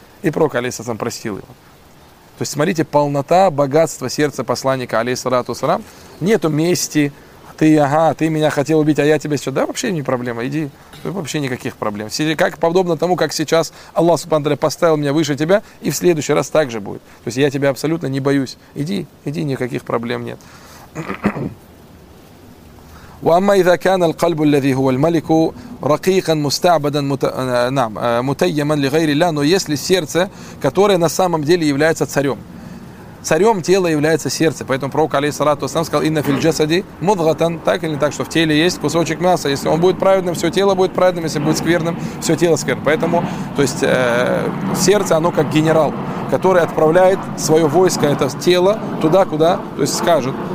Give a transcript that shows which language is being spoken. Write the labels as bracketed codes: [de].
[ru] И пророк, алейхиссалям, простил его. То есть, смотрите, полнота, богатство сердца посланника, алейхиссалям, нету мести, ты меня хотел убить, а я тебя сейчас, да, вообще не проблема, иди. Вообще никаких проблем. Как подобно тому, как сейчас Аллах субхану тааля поставил меня выше тебя, и в следующий раз так же будет. То есть я тебя абсолютно не боюсь. Иди, никаких проблем нет. [ar] وأما إذا كان القلب الذي هو الملك رقيقا مستعبدا متيما لغير الله, но если сердце, которое на самом деле является царем. [ru] царем тела является сердце. Поэтому пророк, алейхиссалату ассалам, сказал, «Инна филь джасади мудгатан», так или не так, что в теле есть кусочек мяса. Если он будет праведным, все тело будет праведным. Если будет скверным, все тело скверно. Поэтому, то есть, сердце, оно как генерал, который отправляет свое войско, это тело, туда, куда, то есть, скажет.